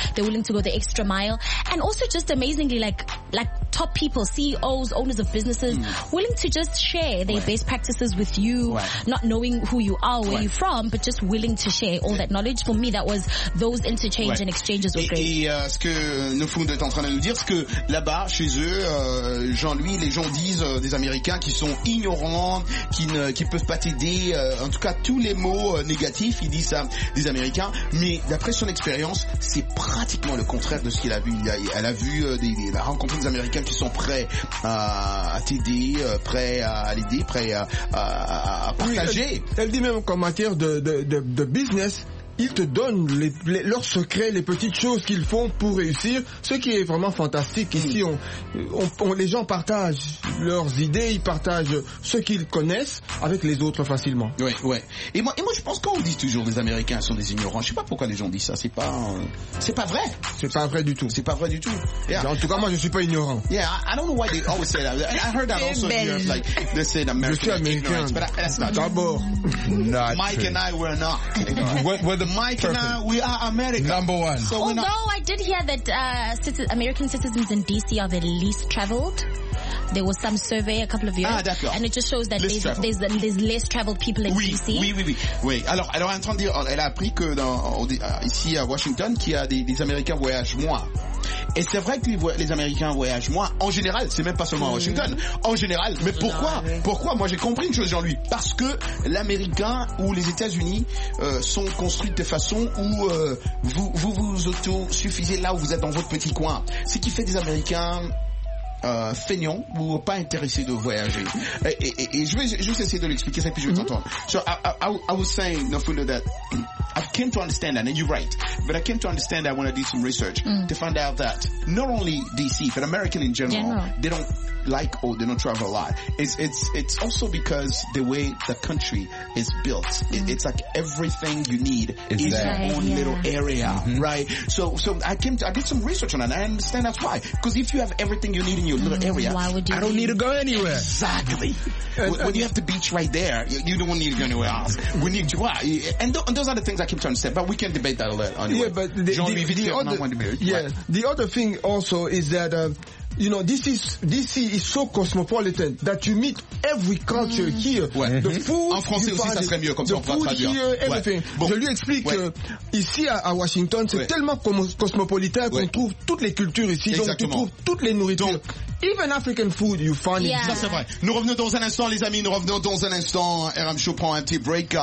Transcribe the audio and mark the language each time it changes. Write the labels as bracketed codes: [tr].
[en] They're willing to go the extra mile, and also just amazingly, like top people, CEOs, owners of businesses, willing to just share their best practices with you, not knowing who you are, where you're from, but just willing to share all that knowledge. For me, that was those interchange and exchanges were great. [fr] Et ce que Nofundo est en train de nous dire, c'est que là-bas, chez eux, Jean-Louis, les gens disent des Américains qui sont ignorants, qui peuvent pas t'aider. En tout cas, tous les mots négatifs, ils disent ça des Américains, mais d'après son expérience, c'est pratiquement le contraire de ce qu'il a vu. Elle a vu a rencontré des Américains qui sont prêts à t'aider, prêts à l'aider, prêts à partager. Elle dit même qu'en matière de business, ils te donnent leurs secrets, les petites choses qu'ils font pour réussir, ce qui est vraiment fantastique. Ici, les gens partagent leurs idées, ils partagent ce qu'ils connaissent avec les autres facilement. Oui, oui. Et moi, je pense qu'on dit toujours les Américains sont des ignorants. Je sais pas pourquoi les gens disent ça. C'est pas vrai. C'est pas vrai du tout. C'est pas vrai du tout. Yeah. En tout cas, moi, je suis pas ignorant. [en] Yeah, I don't know why they always say that. I heard that also here, like they say [fr] American. Je suis Américain. D'abord, [en] Mike and I were not. Mike and I, we are America. Number one. So I did hear that American citizens in D.C. are the least traveled. There was some survey a couple of years. [fr] Ah, d'accord. [en] And it just shows that there's less traveled people in D.C. [fr] Oui. Alors, en train de dire, elle a appris que ici à Washington, qu'il y a des Américains voyagent moins. Et c'est vrai que les Américains voyagent moins. En général, c'est même pas seulement à Washington. En général. Mais pourquoi? Pourquoi? Moi, j'ai compris une chose, Jean-Louis. Parce que l'Américain ou les États-Unis sont construits de façon où vous autosuffisez là où vous êtes dans votre petit coin. Ce qui fait des Américains feignant ou pas intéressé de voyager. Et je vais juste essayer de l'expliquer ça, puis je vais t'entendre. [en] So I was saying, Nofundo, that I came to understand that, and you're right, but I came to understand that when I did some research to find out that not only DC but American in general, they don't like or they don't travel a lot. It's also because the way the country is built, it's like everything you need is your own little area, right? So I did some research on that, and I understand that's why. Because if you have everything you need in your little area, why would you I don't need to go anywhere. Exactly. When you have the beach right there, you don't need to go anywhere else. We need to and those are the things I keep trying to say, but we can debate that a little. Yeah, but the other thing also is that you know, DC is so cosmopolitan that you meet every culture here. [fr] Ouais. [en] The food, [fr] en français aussi, ça serait mieux comme ça, on pourra traduire. Here, ouais. Bon. Je lui explique que ici à Washington, c'est tellement cosmopolitan qu'on trouve toutes les cultures ici. Exactement. Donc, tu trouves toutes les nourritures. Donc, [en] even African food, you find it. [fr] Ça, c'est vrai. Nous revenons dans un instant, les amis. Nous revenons dans un instant. RM Show prend un petit break.